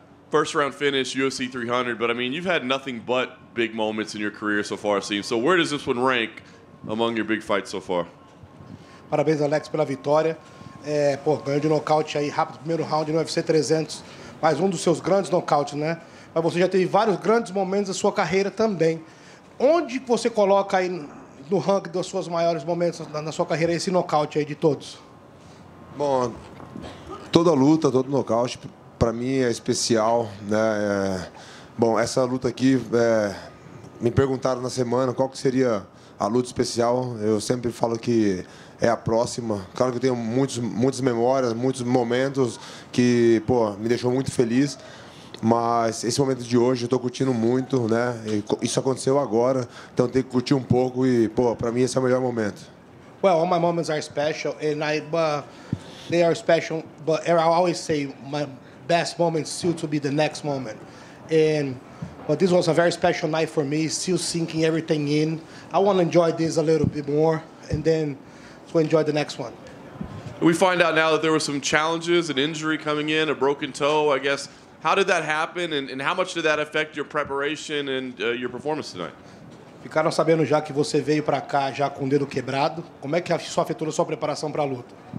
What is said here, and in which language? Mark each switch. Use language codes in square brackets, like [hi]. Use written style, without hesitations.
[en] First round finish, UFC 300, but I mean, you've had nothing but big moments in your career so far, it seems. So where does this one rank among your big fights so far? [pt] Parabéns, Alex, pela vitória. Pô, ganhou de nocaute aí, rápido, primeiro round no UFC 300, mais um dos seus grandes nocautes, né? Mas você já teve vários grandes momentos da sua carreira também. Onde você coloca aí no ranking dos seus maiores momentos na sua carreira esse nocaute aí de todos? Bom, toda luta, todo nocaute, para mim é especial, né? Bom, essa luta aqui, me perguntaram na semana qual que seria a luta especial. Eu sempre falo que é a próxima. Claro que eu tenho muitas memórias, muitos momentos que, pô, me deixou muito feliz. Mas esse momento de hoje eu estou curtindo muito, né? E isso aconteceu agora, então tem que curtir um pouco e, pô, para mim esse é o melhor momento. [en] Well, all my moments are special, and I, they are special, but I always say my best moment still to be the next moment. And but this was a very special night for me, still sinking everything in. I want to enjoy this a little bit more, and then to enjoy the next one. We find out now that there were some challenges, an injury coming in, a broken toe, I guess. How did that happen, and how much did that affect your preparation and your performance tonight? [pt] Ficaram sabendo já que você veio para cá já com o dedo quebrado. Como é que isso afetou a sua preparação para a luta?